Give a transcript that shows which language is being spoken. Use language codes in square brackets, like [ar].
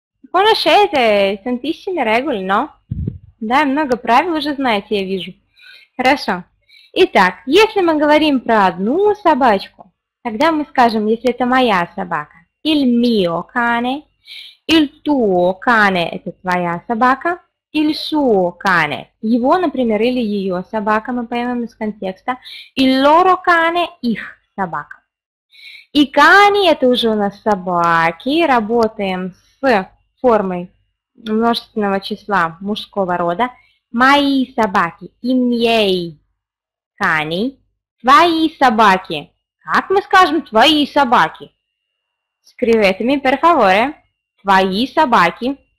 [it] Conoscete tantissime regole, no? [ru] Да, много правил уже знаете, я вижу. Хорошо. Итак, если мы говорим про одну собачку, тогда мы скажем, если это моя собака, [it] il mio cane, il tuo cane, [ru] это твоя собака. [it] Il suo cane, [ru] его, например, или ее собака, мы поймем из контекста. Il loro cane, их собака. И cani, это уже у нас собаки, работаем с формой множественного числа мужского рода. Мои собаки, [it] i miei cani, [ru] твои собаки. Как мы скажем твои собаки? Скриветами, [it] per favore, [ru] твои собаки.